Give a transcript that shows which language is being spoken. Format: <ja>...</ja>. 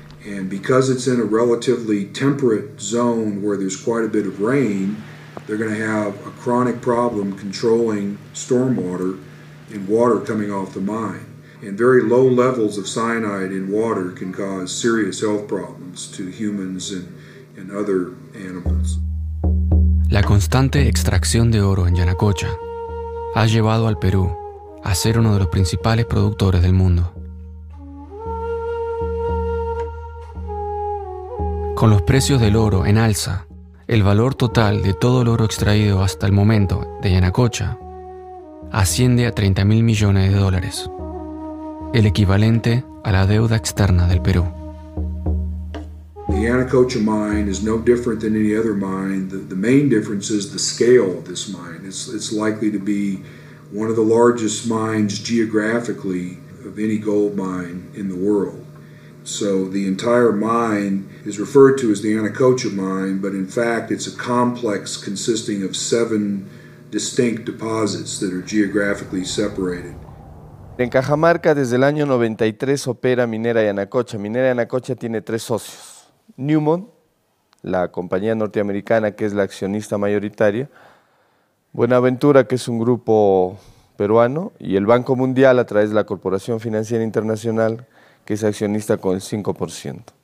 <en>And because it's in a relatively temperate zone where there's quite a bit of rain, they're going to have a chronic problem controlling stormwater and water coming off the mine. And very low levels of cyanide in water can cause serious health problems to humans and other animals.</en> <es>La constante extracción de oro en Yanacocha ha llevado al Perú a ser uno de los principales productores del mundo. Con los precios del oro en alza, el valor total de todo el oro extraído hasta el momento de Yanacocha asciende a 30.000 millones de dólares. El equivalente a la deuda externa del Perú.</es> <en>The Yanacocha mine is no different than any other mine. The main difference is the scale of this mine. It's likely to be one of the largest mines geographically of any gold mine in the world. So the entire mine is referred to as the Yanacocha mine, but in fact it's a complex consisting of 7 distinct deposits that are geographically separated.</en> <es>En Cajamarca, desde el año 93, opera Minera Yanacocha. Minera Yanacocha tiene 3 socios. Newmont, la compañía norteamericana que es la accionista mayoritaria. Buenaventura, que es un grupo peruano. Y el Banco Mundial, a través de la Corporación Financiera Internacional, que es accionista con el 5%.</es>